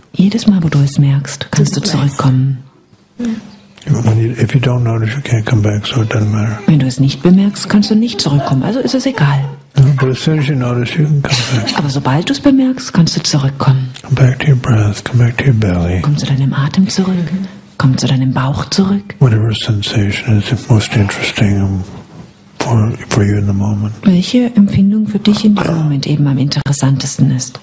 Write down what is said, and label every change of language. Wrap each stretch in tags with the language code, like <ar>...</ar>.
<de>Jedes Mal, wo du es merkst, kannst du zurückkommen.</de> <en>Yeah. If you don't notice, you can't come back, so it doesn't matter.</en> <de>Wenn du es nicht bemerkst, kannst du nicht zurückkommen. Also ist es egal.</de> <en>No, but as soon as you notice, you can come back.</en> <de>Aber sobald du es bemerkst, kannst du zurückkommen.</de> <en>Come back to your breath. Come back to your belly.</en> <de>Komm zu deinem Atem zurück. Komm zu deinem Bauch zurück.</de> <en>Whatever sensation is the most interesting. For you in the moment.</en> <de>Welche Empfindung für dich in dem Moment eben am interessantesten ist.</de>